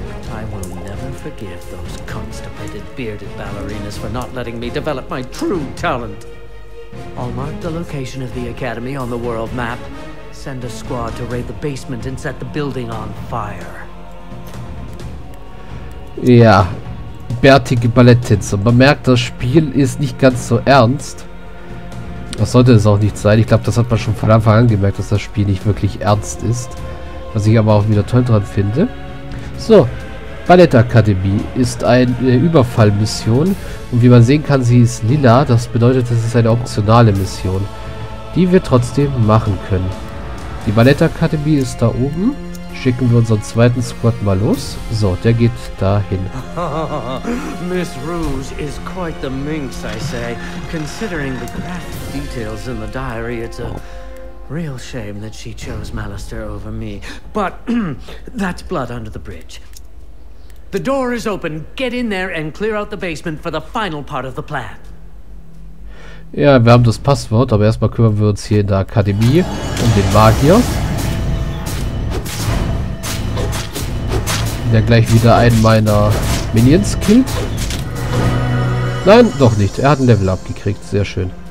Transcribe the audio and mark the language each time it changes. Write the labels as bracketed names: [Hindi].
[English] I will never forgive those constipated bearded ballerinas for not letting me develop my true talent. I'll mark the location of the academy on the world map. Send a squad to raid the basement and set the building on fire. [German] Ja, bärtige Balletttänzer. Man merkt, das Spiel ist nicht ganz so ernst. Das sollte es auch nicht sein. Ich glaube, das hat man schon von Anfang an gemerkt, dass das Spiel nicht wirklich ernst ist. Was ich aber auch wieder toll dran finde. So, Ballettakademie ist eine Überfallmission. Und wie man sehen kann, sie ist lila. Das bedeutet, es ist eine optionale Mission, die wir trotzdem machen können. Die Ballettakademie ist da oben. Schicken wir unseren zweiten Squad mal los. So, der geht dahin. [English] Miss Rouge is quite the minx, I say. Considering the graphic details in the diary, it's a real shame that she chose Malister over me. But that's blood under the bridge. The door is open. Get in there and clear out the basement for the final part of the plan. [German] Ja, wir haben das Passwort, aber erstmal kümmern wir uns hier in der Akademie um den Magier. Der gleich wieder einen meiner Minions killt. Nein, doch nicht. Er hat ein Level abgekriegt. Sehr schön.